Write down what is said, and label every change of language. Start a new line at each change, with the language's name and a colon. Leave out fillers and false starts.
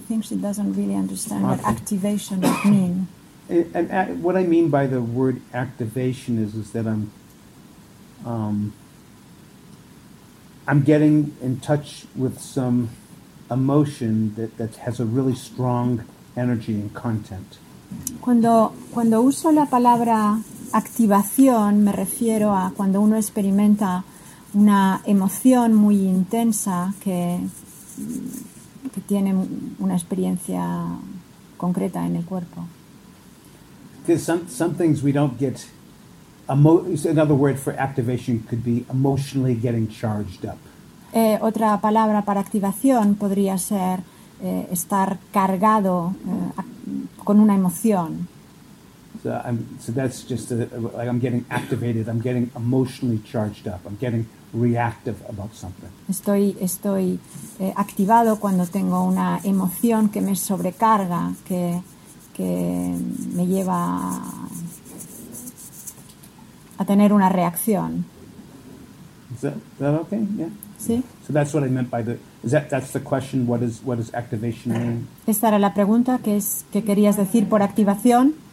English: I think she doesn't really understand what activation would mean. And what I mean by the word activation is that I'm getting in touch with some emotion that has a really strong energy and content.
Spanish: Cuando uso la palabra activación, me refiero a cuando uno experimenta una emoción muy intensa que tiene una experiencia concreta en el cuerpo.
English: Because some things we don't get. Another word for activation could be emotionally getting charged up.
Spanish: Otra palabra para activación podría ser estar cargado con una emoción.
English: So that's just like I'm getting activated. I'm getting emotionally charged up. I'm getting reactive about something.
Spanish: Estoy activado cuando tengo una emoción que me sobrecarga, que me lleva a tener una reacción.
English: Is that okay? Yeah.
Spanish: Sí.
English: So that's what I meant by that's the question. What is activation mean?
Spanish: Esta era la pregunta que querías decir por activación.